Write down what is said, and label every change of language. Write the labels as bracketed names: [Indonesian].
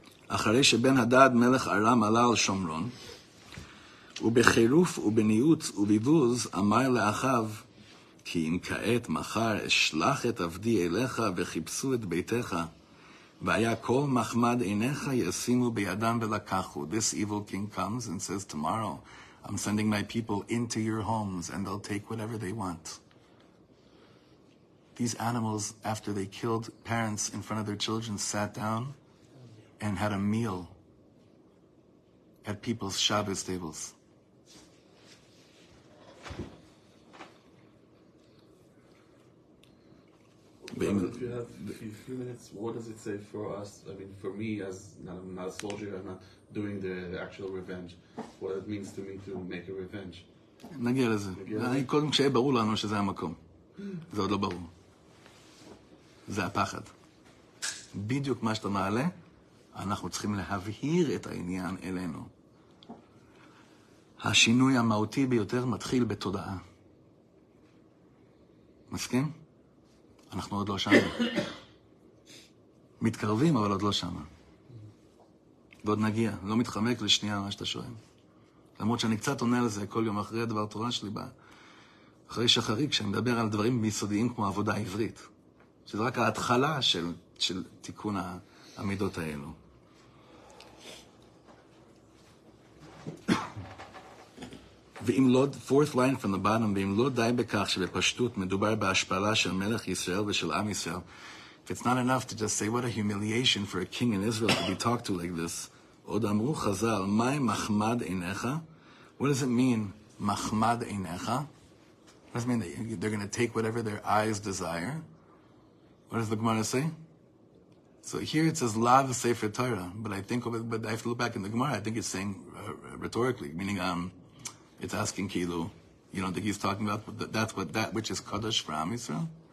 [Hebrew] אחרי שבן הדד מלך ארם עלה על שומרון, ובחירוף ובניוץ ובביבוז אמר לאחיו, כי אם כעת מחר אשלח את עבדי אליך וחיפשו את ביתך, והיה כל מחמד עיניך ישימו בידם ולקחו. [English] This evil king comes and says, tomorrow I'm sending my people into your homes and they'll take whatever they want. These animals, after they killed parents in front of their children, sat down and had a meal at people's Shabbos tables. Well, if you have a few minutes, what does it say for us? I mean, for me, as not a soldier, I'm not doing the actual revenge. What it means to me to make a revenge? [Hebrew] נגיע לזה. אני קודם כשיהיה ברור לנו שזה המקום. זה עוד לא ברור. זה הפחד. בדיוק מה שאתה מעלה, אנחנו צריכים להבהיר את העניין אלינו. השינוי המהותי ביותר מתחיל בתודעה. מסכים? אנחנו עוד לא שם. מתקרבים, אבל עוד לא שם. ועוד נגיע. לא מתחמק לשנייה מה שאתה שואל. למרות שאני קצת עונה לזה כל יום אחרי הדבר תורה שלי, אחרי שחרי, כשאני מדבר על דברים מיסודיים כמו עבודה עברית, שזה רק ההתחלה של תיקון העמידות האלו. [English] ואם לא, fourth line from the bottom, ואם לא די בכך שבפשטות מדובר בהשפלה של מלך ישראל ושל עם ישראל, if it's not enough to just say what a humiliation for a king in Israel to be talked to like this, עוד אמרו חזל, מהי מחמד עיניך? What does it mean, מחמד עיניך? What does it mean, they're going to take whatever their eyes desire? What does the Gemara say? So here it says, lav sefer Torah, but I have to look back in the Gemara, I think it's saying rhetorically, meaning, it's asking Kilu, you don't think he's talking about that which is Kadosh for Am Yisrael?